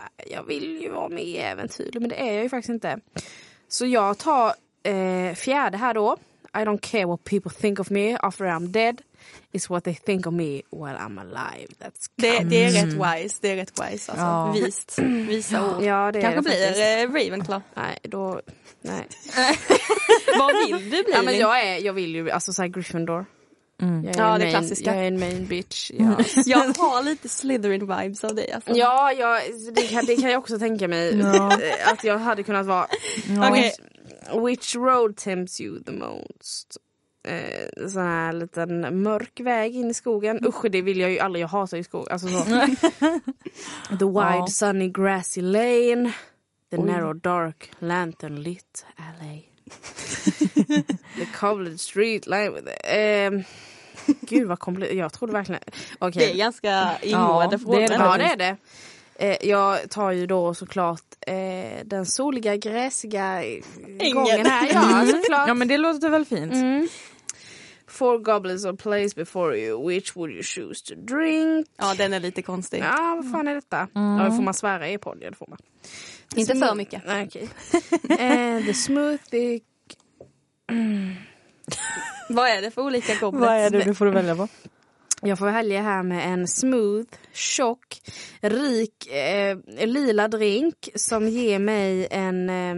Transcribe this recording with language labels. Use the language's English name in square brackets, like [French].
[Swedish] Jag vill ju vara med i äventyr, men det är jag ju faktiskt inte. Så jag tar fjärde här då. [English] I don't care what people think of me after I'm dead. It's what they think of me while I'm alive. That's [Swedish] det är rätt wise. Det är rätt wise. Alltså. Ja. Vist. Visa ord. Ja, det kanske det blir faktiskt. Ravenclaw. Nej, då... Nej. Vad vill du bli? Ja, men jag vill ju... Alltså så här Gryffindor. Mm. Ja, det klassiska. Jag är en main bitch. Ja. Jag har lite Slytherin vibes av dig, alltså. Ja, det kan jag också tänka mig. Att jag hade kunnat vara. Okay. [English] Which road tempts you the most? [Swedish] Sån här liten mörk väg in i skogen. Usch, det vill jag ju aldrig. Jag hatar ju skog. Alltså så. [English] The wide sunny grassy lane. The narrow dark lantern lit alley. The cobbled street line with it. [Swedish] Gud vad komplicerat. Jag trodde verkligen okay. Det är ganska ingående frågan. Ja, det är det. Jag tar ju då såklart den soliga gräsiga gången här. Ja, såklart. Ja, men det låter väl fint. Mm. [English] Four goblets are placed before you. Which would you choose to drink? [Swedish] Ja, den är lite konstig. Ja, vad fan är detta? Mm. Ja, det får man svära i podden, det får man. Inte för mycket. Nej, okej. [English] The smoothie... [Swedish] Vad är det för olika goblets? Vad är det du får välja på? Jag får välja här med en smooth, tjock, rik, lila drink som ger mig en...